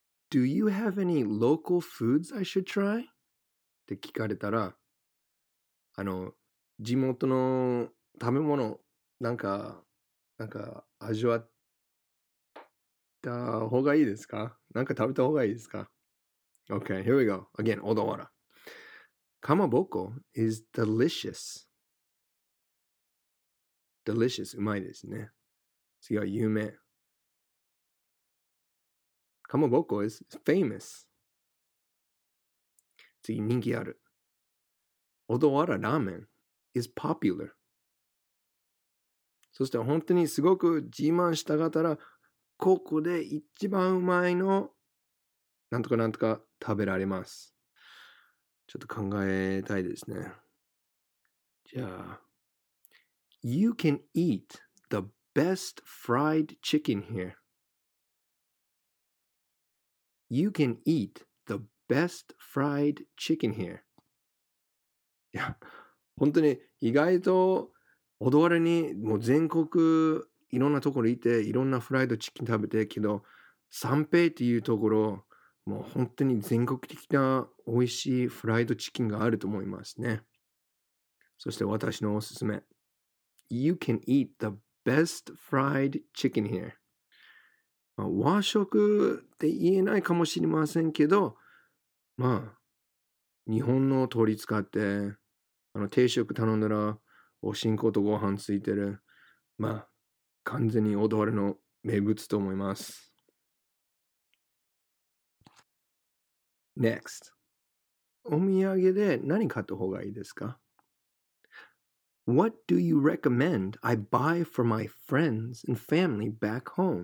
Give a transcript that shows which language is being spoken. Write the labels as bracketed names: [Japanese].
[English] Do you have any local foods I should try? [Japanese] って聞かれたら、地元の食べ物、なんか味わった方がいいですか? なんか食べた方がいいですか? [English] Okay, here we go. Again, Odawara. Kamaboko is delicious. Delicious, [Japanese] うまいですね。次は有名。 [English] かまぼこ is famous. [Japanese] 次、人気ある。 [English] オドワララーメン is popular. [Japanese] そして、本当にすごく自慢したかったら、ここで一番うまいの、なんとかなんとか食べられます。ちょっと考えたいですね。じゃあ、 [English] You can eat the best fried chicken here. You can eat the best fried chicken here. [Japanese] いや、本当に意外と小田原にもう全国いろんなところいていろんなフライドチキン食べてけど三平っていうところもう本当に全国的な美味しいフライドチキンがあると思いますね。そして私のおすすめ。 [English] You can eat the best fried chicken here. [Japanese] 和食って言えないかもしれませんけど、まあ、日本の通り使って、定食頼んだら、おしんことご飯ついてる。まあ、完全に小田原の名物と思います。 [English] Next, [Japanese] お土産で何買った方がいいですか? [English] What do you recommend I buy for my friends and family back home?